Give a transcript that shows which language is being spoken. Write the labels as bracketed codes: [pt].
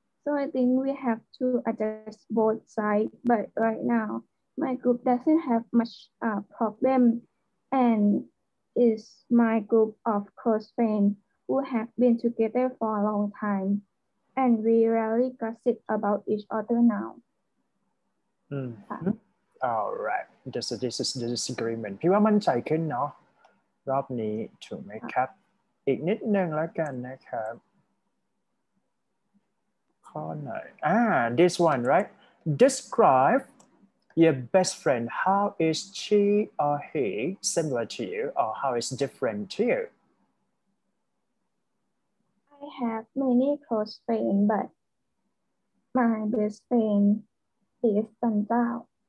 [en] So I think we have to adjust both sides. But right now, my group doesn't have much problem, and is my group of close friends who have been together for a long time, and we rarely gossip about each other now. Mm-hmm. All right. This is the disagreement. [th] พี่ว่ามันใจขึ้นเนาะรอบนี้ถูกไหมครับอีกนิดนึงแล้วกันนะครับข้อไหน [en] this one, right? Describe your best friend, how is she or he similar to you, or how is different to you? I have many close friends, but my best friend is Sun Zhao.